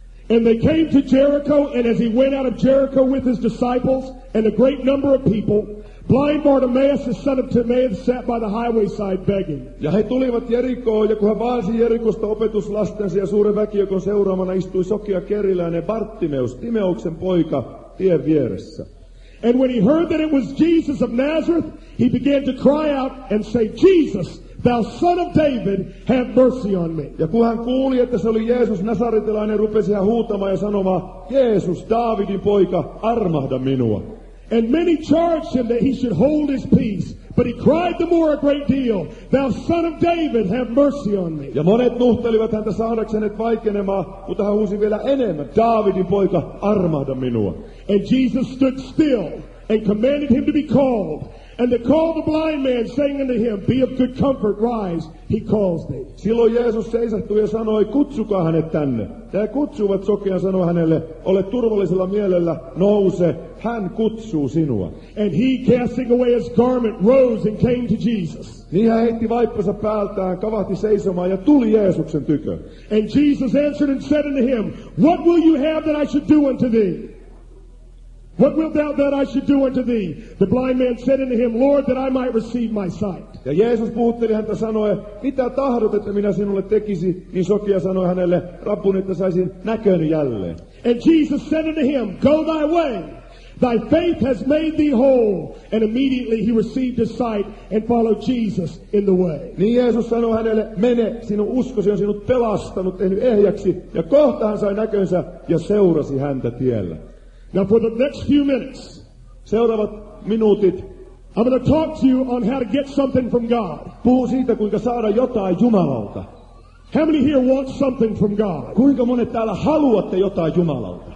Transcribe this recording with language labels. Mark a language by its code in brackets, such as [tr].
[en] And they came to Jericho, and as he went out of Jericho with his disciples and a great number of people, blind Bartimaeus, the son of Timaeus, sat by the highway side begging. [fi] Ja he tulivat Jerikoon, ja kun he vaasi Jerikosta opetuslastensa ja suuren väkijoukon seuraamana, istui sokea kerillään, ja Bartimeus, Timeuksen poika, tien vieressä. [en] And when he heard that it was Jesus of Nazareth, he began to cry out and say, Jesus, thou son of David, have mercy on me. [fi] Ja kun hän kuuli, että se oli Jeesus nasaretilainen, rupesi hän huutamaan ja sanomaan, Jeesus, Daavidin poika, armahda minua. [en] And many charged him that he should hold his peace, but he cried the more a great deal, thou son of David, have mercy on me. [fi] Ja monet nuhtelivat häntä saadakseen hänet vaikenemaan, mutta hän huusi vielä enemmän, Daavidin poika, armahda minua. [en] And Jesus stood still and commanded him to be called. And they called the blind man, saying unto him, be of good comfort, rise, he calls thee. [fi] Silloin Jeesus seisahtui ja sanoi, kutsukaa hänet tänne. Ja he kutsuivat sokean, sanoi hänelle, ole turvallisella mielellä, nouse, hän kutsuu sinua. [en] And he, casting away his garment, rose and came to Jesus. [fi] Niin hän heitti vaippansa päältään, kavahti seisomaan ja tuli Jeesuksen tykö. [en] And Jesus answered and said unto him, what will you have that I should do unto thee? What wilt thou that I should do unto thee? The blind man said unto him, Lord, that I might receive my sight. [fi] Ja Jeesus puhutteli häntä sanoen, mitä tahdot, että minä sinulle tekisi? Niin sokea sanoi hänelle, Rabbuni, että saisin näköni jälleen. [en] And Jesus said unto him, go thy way. Thy faith has made thee whole. And immediately he received his sight and followed Jesus in the way. [fi] Niin Jeesus sanoi hänelle, mene, sinun uskosi on sinut pelastanut, tehnyt ehjäksi. Ja kohta hän sai näkönsä ja seurasi häntä tiellä. [en] Now for the next few minutes, [fi] seuraavat minuutit, [en] I'm going to talk to you on how to get something from God. [fi] Puhun siitä, kuinka saada jotain Jumalalta. [en] How many here want something from God? [fi] Kuinka monet täällä haluatte jotain Jumalalta?